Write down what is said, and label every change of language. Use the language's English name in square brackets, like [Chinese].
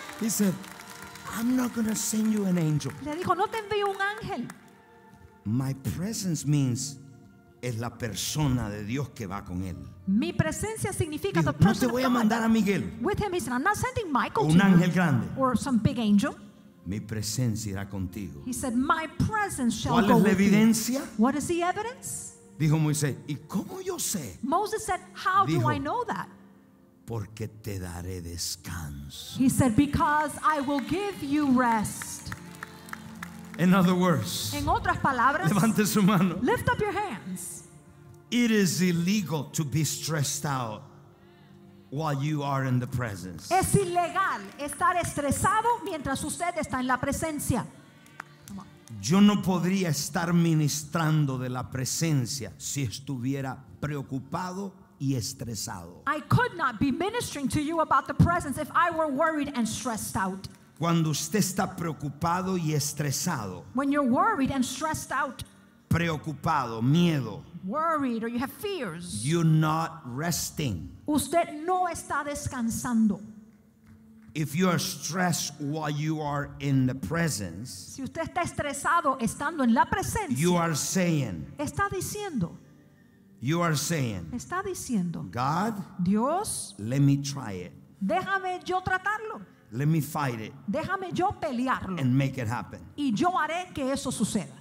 [English] He said, I'm not going to send you an angel. [Spanish] Le dijo, no te envío un ángel. [English] My presence means [Spanish] es la persona de Dios que va con él. Mi presencia significa [English] the person. [Spanish] No te voy a mandar a Miguel. [English] With him, he said, I'm not sending Michael. [Spanish] Un ángel grande. [English] Or some big angel. [Spanish] Mi presencia irá contigo. [English] He said, my presence shall go with you. [Spanish] ¿Cuál es la evidencia? [English] What is the evidence? [Spanish] Dijo Moisés, ¿y cómo yo sé? [English] Moses said, how [Spanish] Dijo, [English] do I know that? [Spanish] Porque te daré descanso. [English] He said, because I will give you rest. In other words, [Spanish] en otras palabras, levante su mano. [English] Lift up your hands. It is illegal to be stressed out while you are in the presence. [Spanish] Es ilegal estar estresado mientras usted está en la presencia. Yo no podría estar ministrando de la presencia si estuviera preocupado y estresado. [English] I could not be ministering to you about the presence if I were worried and stressed out. [Spanish] Cuando usted está preocupado y estresado, [English] when you're worried and stressed out, [Spanish] preocupado, miedo, [English] worried, or you have fears, you're not resting. [Spanish] Usted no está descansando. [English] If you are stressed while you are in the presence, [Spanish] si usted está estresado estando en la presencia, [English] you are saying, [Spanish] está diciendo, [English] you are saying, [Spanish] está diciendo, [English] God, [Spanish] Dios, [English] let me try it. [Spanish] Déjame yo tratarlo. [English] Let me fight it. [Spanish] Déjame yo pelearlo. [English] And make it happen. [Spanish] Y yo haré que eso suceda.